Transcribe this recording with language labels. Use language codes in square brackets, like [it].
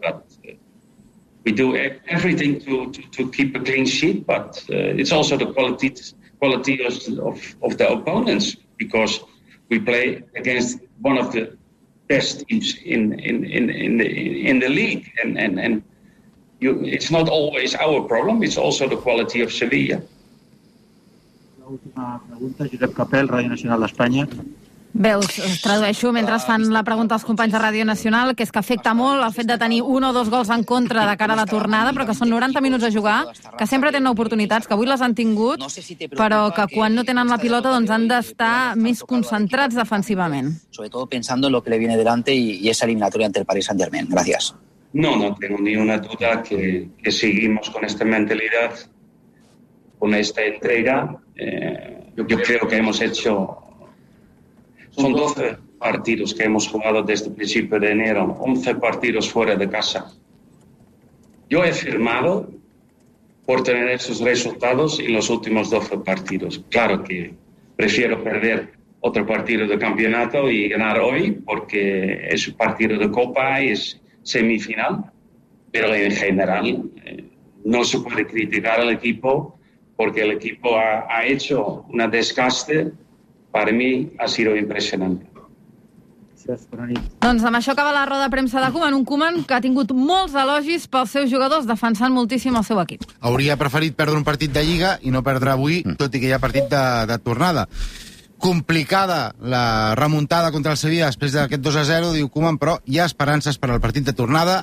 [en] But we do everything to keep a clean sheet, but it's also the quality of the opponents, because we play against one of the best teams in the league, and it's not always our problem, it's also the quality of Sevilla. [ca] última pregunta, Josep Capel, Ràdio Nacional d'Espanya. Veus, us tradueixo mentre fan la pregunta als companys de Ràdio Nacional, que és que afecta molt el fet de tenir un o dos gols en contra de cara a la tornada, però que són 90 minuts a jugar, que sempre tenen oportunitats, que avui les han tingut, però que quan no tenen la pilota doncs han d'estar més concentrats defensivament. [es] Sobretot pensando en lo que le viene delante y esa eliminatoria ante el Paris Saint-Germain. Gracias. No tengo ni una duda que seguimos con esta mentalidad, con esta entrega. Yo creo que hemos hecho... Son 12 partidos que hemos jugado desde el principio de enero, 11 partidos fuera de casa. Yo he firmado por tener esos resultados en los últimos 12 partidos. Claro que prefiero perder otro partido de campeonato y ganar hoy, porque es un partido de Copa y es semifinal. Pero en general no se puede criticar al equipo, porque el equipo ha hecho un desgaste. Per mi ha sido impresionante. [ca] Doncs amb això acaba la roda de premsa de Koeman, un Koeman que ha tingut molts elogis pels seus jugadors, defensant moltíssim el seu equip. Hauria preferit perdre un partit de Lliga i no perdre avui, tot i que hi ha partit de tornada. Complicada la remuntada contra el Sevilla després d'aquest 2-0, diu Koeman, però hi ha esperances per al partit de tornada.